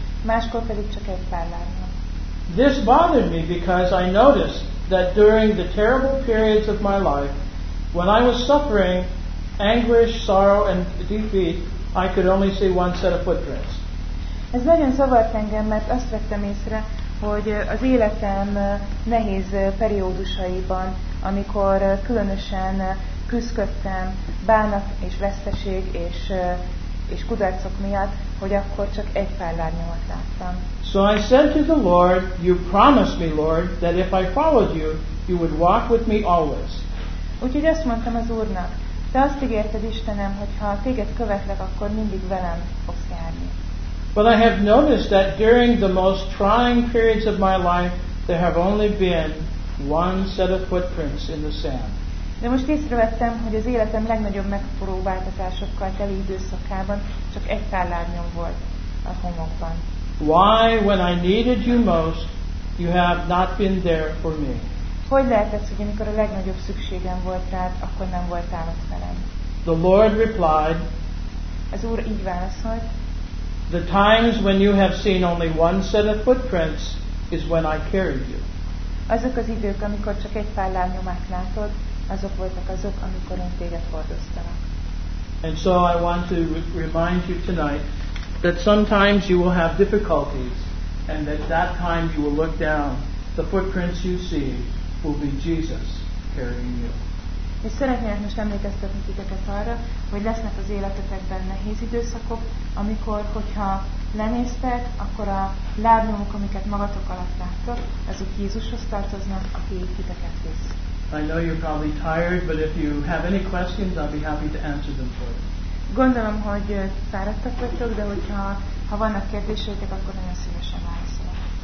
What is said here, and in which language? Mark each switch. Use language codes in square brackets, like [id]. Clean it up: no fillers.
[hu] Máskor pedig csak egy pár lábnyom. [en] This bothered me because I noticed that during the terrible periods of my life, when I was suffering anguish, sorrow and defeat, I could only see one set of footprints. [hu] Ez nagyon zavart engem, mert azt vettem észre, hogy az életem nehéz periódusaiban, amikor különösen küszködtem, bánat és veszteség és és kudarcok miatt, hogy akkor csak egy pár lárnyomat láttam. [en] So I said to the Lord, you promised me, Lord, that if I followed you, you would walk with me always. [hu] Úgyhogy azt mondtam az Úrnak, te azt ígérted, Istenem, hogy ha téged követlek, akkor mindig velem fogsz járni. [en] But I have noticed that during the most trying periods of my life, there have only been one set of footprints in the sand. [hu] De most észrevettem, hogy az életem legnagyobb megpróbáltatásokkal teli időszakában csak egy pár lábnyom volt a homokban. [en] Why, when I needed you most, you have not been there for me? [hu] Hogy lehet ez, hogy amikor a legnagyobb szükségem volt rád, akkor nem voltál ott velem? [en] The Lord replied, [hu] az Úr így válaszolt, [en] the times when you have seen only one set of footprints is when I carried you. [hu] Azok az idők, amikor csak egy pár lábnyomát látod, azok voltak azok, amikor én téged hordoztalak. [en] And so I want to remind you tonight that sometimes you will have difficulties, and at that time you will look down. The footprints you see will be Jesus carrying you. [hu] És szeretnék most emlékeztetni titeket arra, hogy lesznek az életetekben nehéz időszakok, amikor, hogyha lenéztek, akkor a lábnyomok, amiket magatok alatt láttok, azok Jézushoz tartoznak, aki titeket visz. [en] I know you're probably tired, but if you have any questions, I'll be happy to answer them for you. [hu] Gondolom, hogy fáradtak vagytok, de hogyha vannak kérdéseitek, akkor nagyon szívesen válaszolok.